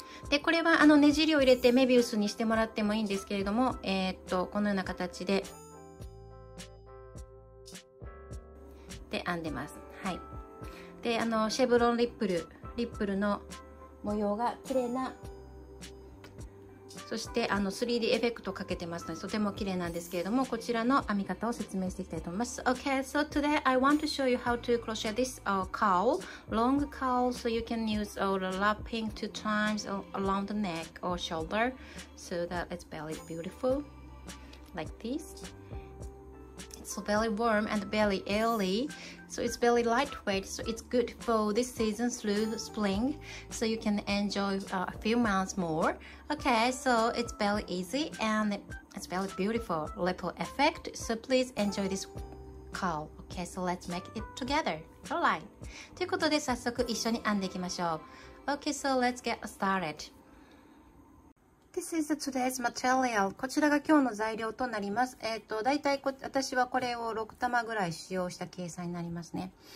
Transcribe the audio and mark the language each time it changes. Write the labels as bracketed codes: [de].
[ja] でこれはあのねじりを入れてメビウスにしてもらってもいいんですけれども、このような形で編んでます。はい、であのシェブロンリップル、リップルの模様が綺麗な、そしてあの 3D エフェクトかけてますので、とても綺麗なんですけれども、こちらの編み方を説明していきたいと思います。 [en] OK, so today I want to show you how to crochet this cowl, long cowl, so you can use all the lapping two times along the neck or shoulder so that it's very beautiful like thisSo very warm and very airy. So it's very lightweight. So it's good for this season through spring. So you can enjoy a few months more. Okay, so it's very easy and it's very beautiful ripple effect. So please enjoy this cowl. Okay, so let's make it together. All right. [ja] ということで早速一緒に編んでいきましょう。 [en] Okay, so let's get started. This is today's material. [ja] こちらが今日の材料となります。だいたい私はこれを6玉ぐらい使用した計算になりますね。